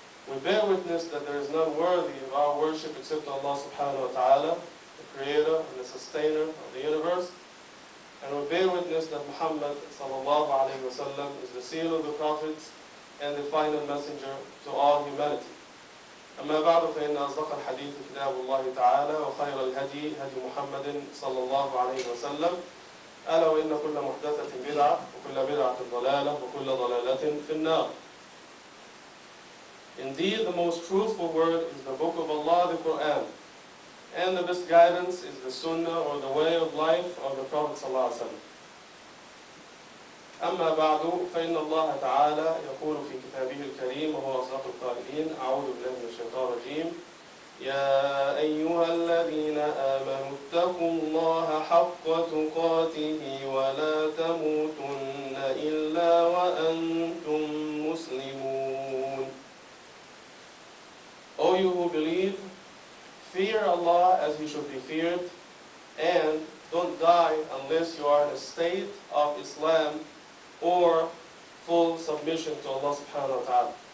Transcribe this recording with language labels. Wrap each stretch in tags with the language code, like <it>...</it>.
<en>We bear witness that there is none worthy of our worship except Allah subhanahu wa ta'ala, the creator and the sustainer of the universe. And we bear witness that Muhammad sallallahu alayhi wa sallam is the seal of the prophets and the final messenger to all humanity.</en> <ar>أما بعد فإن أصدق الحديث كتاب الله تعالى وخير الهدي هدي محمد صلى الله عليه وسلم ألا وإن كل محدثة بدعة وكل بدعة ضلالة وكل ضلالة في النار.</ar> <en>Indeed, the most truthful word is the book of Allah, the Quran, and the best guidance is the Sunnah or the way of life of the Prophet صلى الله عليه وسلم.</en> <ar>أما بعد فإن الله تعالى يقول في كتابه الكريم وهو أصدق القائلين أعوذ بالله من الشيطان الرجيم يا أيها الذين آمنوا اتقوا الله حق تقاته ولا تموتن إلا وأنتم مسلمون.</ar> <en>O you who believe, fear Allah as you should be feared, and don't die unless you are in a state of Islam or full submission to Allah subhanahu wa ta'ala.</en>